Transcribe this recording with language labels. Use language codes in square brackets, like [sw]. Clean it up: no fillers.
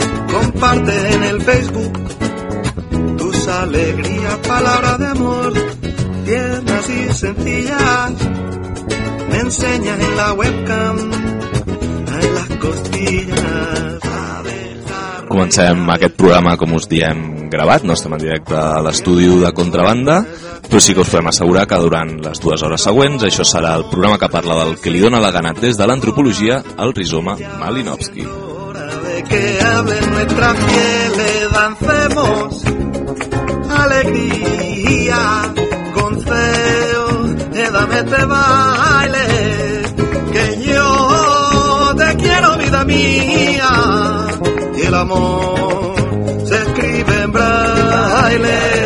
[es] Comparte en el Facebook tus alegrías, palabras de amor, tiernas y sencillas. Me enseñas en la webcam en las costillas. [ca] Comencem aquest programa, com us diem, gravat. No estem en directe a l'estudi de Contrabanda, però sí que us podem assegurar que durant les dues hores següents això serà el programa que parla del que li dona la gana des de l'antropologia, el rizoma Malinowski. [es] Que hablen nuestras pieles, dancemos alegría, con feo, dame este baile, que yo te quiero, vida mía, y el amor se escribe en braille.